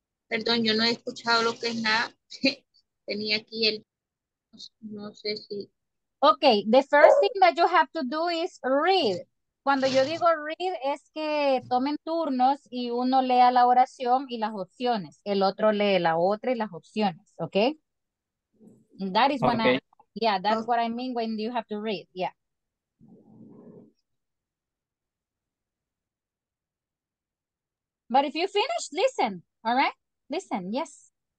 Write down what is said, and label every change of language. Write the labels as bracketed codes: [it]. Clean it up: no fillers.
[es] Perdón, yo no he escuchado lo que es nada. Tenía aquí el... No sé si... [en] Okay, the first thing that you have to do is read. [es] Cuando yo digo read, es que tomen turnos y uno lea la oración y las opciones. El otro lee la otra y las opciones, okay? [en] That is when okay. I, yeah, that's what I mean when you have to read, yeah. But if you finish, listen, all right? Listen, yes.